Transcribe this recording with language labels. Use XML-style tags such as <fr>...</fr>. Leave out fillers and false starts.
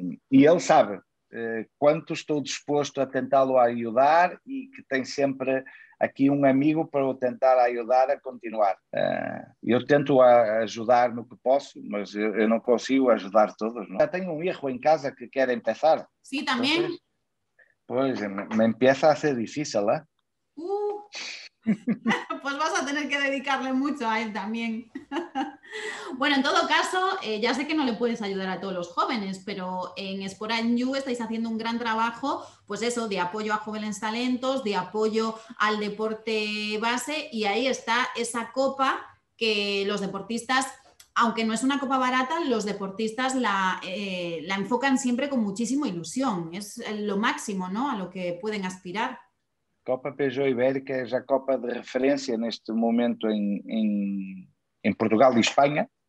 <pt>E ele sabe quanto estou disposto a tentá-lo ajudar e que tem sempre aqui um amigo para o tentar ajudar a continuar. Eu tento ajudar no que posso, mas eu não consigo ajudar todos. Não? Já tenho um erro em casa que quer começar. Sim, também.</pt> <es>Pois, me empieza a ser difícil, ¿eh? Pues vas a tener que dedicarle mucho a él también. Bueno, en todo caso, ya sé que no le puedes ayudar a todos los jóvenes, pero en Sport & You estáis haciendo un gran trabajo, pues eso, de apoyo a jóvenes talentos, de apoyo al deporte base, y ahí está esa copa que los deportistas, aunque no es una copa barata, los deportistas la enfocan siempre con muchísima ilusión. Es lo máximo, ¿no?, a lo que pueden aspirar.</es> <pt>Copa Peugeot Ibérica é a Copa de referência neste momento em Portugal e Espanha.</pt>